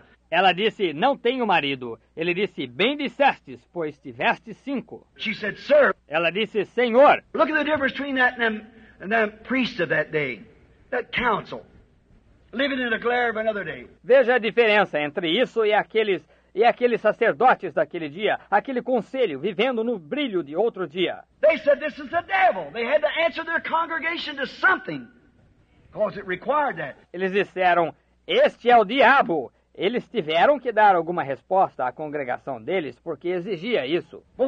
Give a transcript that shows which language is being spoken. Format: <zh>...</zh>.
<pt>Ela disse, não tenho marido. Ele disse, bem dissestes, pois tiveste cinco.</pt> <en>She said, sir.</en> <pt>Ela disse, senhor.</pt> <en>Look at the difference between that and the priests of that day. That council. Living in the glare of another day.</en> <pt>Veja a diferença entre isso e aqueles sacerdotes daquele dia. Aquele conselho, vivendo no brilho de outro dia.</pt> <en>They said, this is the devil. They had to answer their congregation to something. Because it required that.</en> <pt>Eles disseram, este é o diabo. Eles tiveram que dar alguma resposta à congregação deles porque exigia isso.</pt>